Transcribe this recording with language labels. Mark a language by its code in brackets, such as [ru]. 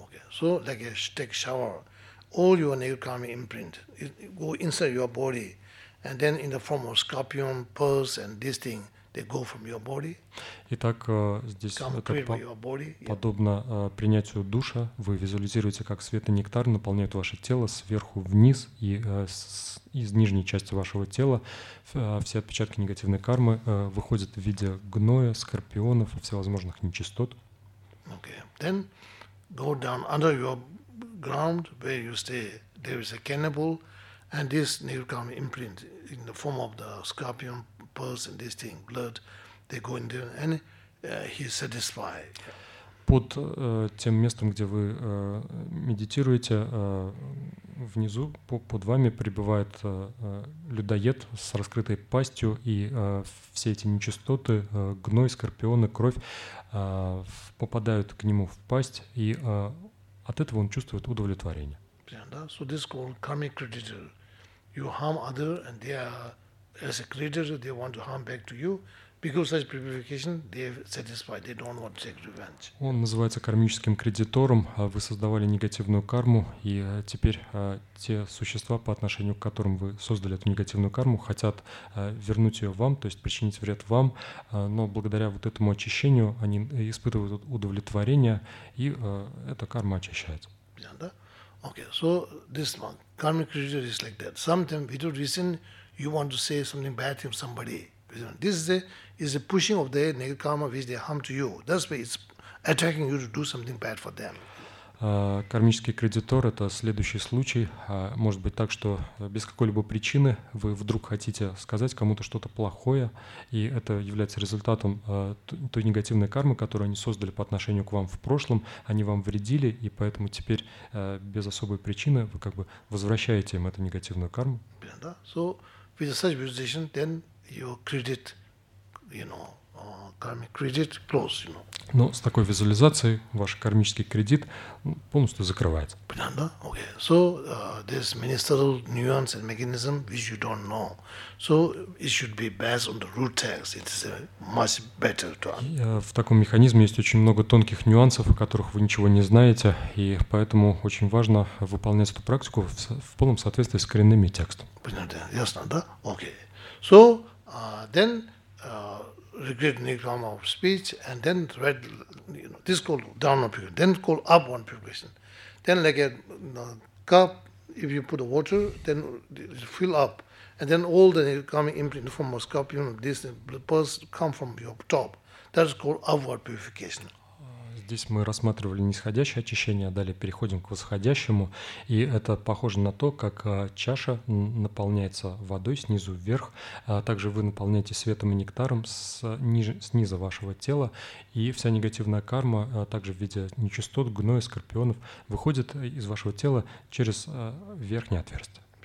[en] So, like a take shower, all your negative karma imprint, it go inside your body, and then in the form of scorpion, pearls, and this thing, they go from your body. [ru] Итак, здесь это подобно принятию душа. Вы визуализируете, как свет и нектар наполняют ваше тело сверху вниз, и из нижней части вашего тела все отпечатки негативной кармы выходят в виде гноя, скорпионов и всевозможных нечистот. [en] Okay. Then go down under your ground where you stay. There is a cannibal, and this negative karma imprint in the form of the scorpion, pearls and this thing, blood, they go in there and he is satisfied. [ru] Под тем местом, где вы медитируете, внизу под вами пребывает людоед с раскрытой пастью, и все эти нечистоты, гной, скорпионы, кровь попадают к нему в пасть, и от этого он чувствует удовлетворение. [en] So this is called karmic creditor. You harm other and they are as a creditor, they want to harm back to you. Because such purification, they satisfied, they don't want to take revenge. [ru] Он называется кармическим кредитором. Вы создавали негативную карму, и теперь те существа, по отношению к которым вы создали эту негативную карму, хотят вернуть ее вам, то есть причинить вред вам. Но благодаря вот этому очищению они испытывают удовлетворение, и эта карма очищается. Да? [en] Okay, so this one, karmic creditor is like that. Sometimes we do reason, you want to say something bad to somebody. This is a pushing of the negative karma which they harm to you. That's why it's attacking you to do something bad for them. [ru] Кармический кредитор — это следующий случай. Может быть так, что без какой-либо причины вы вдруг хотите сказать кому-то что-то плохое, и это является результатом той негативной кармы, которую они создали по отношению к вам в прошлом. Они вам вредили, и поэтому теперь без особой причины вы как бы возвращаете им эту негативную карму. [en] So, with such visualization, then your credit, you know, karmic credit close, you know. [ru] Но с такой визуализацией ваш кармический кредит полностью закрывается. Понятно? [en] Okay. So, there's many subtle nuance and mechanism which you don't know. So, it should be based on the root text. It's much better to understand. [ru] В таком механизме есть очень много тонких нюансов, о которых вы ничего не знаете, и поэтому очень важно выполнять эту практику в полном соответствии с коренными текстами. Понятно? Ясно, да? [en] Okay. So, then... regret negative karma of speech, and then red, you know, this called down one purification, then called up one purification. Then like a cup, if you put the water, then it fill up, and then all the negative karma imprint from a scorpion, this pulse come from your top. That is called upward purification. [ru] Здесь мы рассматривали нисходящее очищение, а далее переходим к восходящему. И это похоже на то, как чаша наполняется водой снизу вверх. Также вы наполняете светом и нектаром снизу вашего тела. И вся негативная карма, также в виде нечистот, гноя, скорпионов, выходит из вашего тела через верхнее отверстие.